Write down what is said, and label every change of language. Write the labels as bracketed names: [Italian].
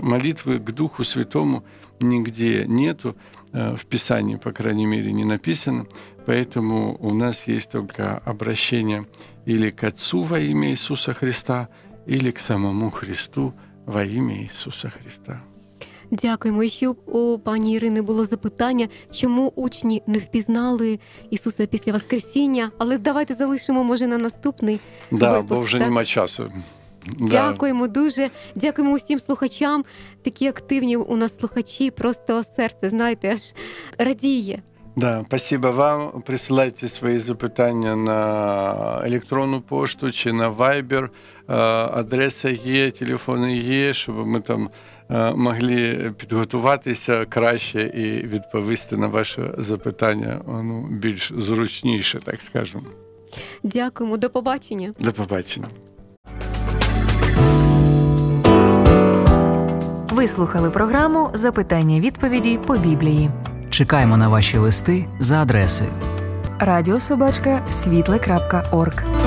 [Russian] Молитвы к Духу Святому нигде нету. В Писании, по крайней мере, не написано. Поэтому у нас есть только обращение или к Отцу во имя Иисуса Христа, или к самому Христу во имя Иисуса Христа. [Ukrainian] Дякуємо. І ще у пані Ірини було запитання, чому учні не впізнали Ісуса після Воскресіння. Але давайте залишимо, може, на наступний [Russian] да, [Ukrainian] випуск. Бо вже нема часу. Дякуємо дуже. Дякуємо усім слухачам. Такі активні у нас слухачі. Просто серце, знаєте, аж радіє. [Russian] Да, спасибо вам. Присылайте свои запитания на электронную почту, чи на Viber. [Ukrainian] Адреса є, телефони є, щоб ми там могли підготуватися краще і відповісти на ваше запитання, ну, більш зручніше, так скажемо. Дякуємо, до побачення. До побачення. Ви слухали програму «Запитання-відповіді по Біблії». Чекаємо на ваші листи за адресою: radio@svitle.org.